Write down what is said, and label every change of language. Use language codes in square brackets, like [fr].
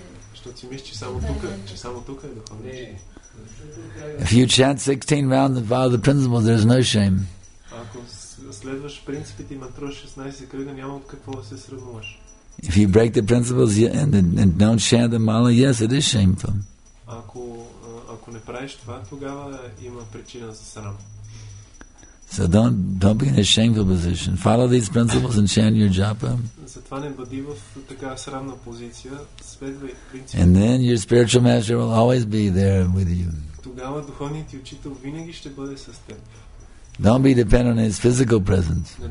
[bg] Защо си мисли, че само тука е духовен? [en] If you chant 16 rounds and follow the principles, there's no shame. [bg] Ако следваш принципите и мантраш 16 кръга, няма от какво да се срамуваш. [en] If you break the principles and don't chant the mala, yes, it is shameful. [bg] Ако не правиш това, тогава има причина за срам. [en] So don't be in a shameful position. Follow these principles and chant your japa. [bg] Затова не бъди в такава срамна позиция. Следвай принципите. [en] And then your spiritual master will always be there with you. [bg] Тогава духовният ти учител винаги ще бъде с теб. [en] Don't be dependent on his physical presence.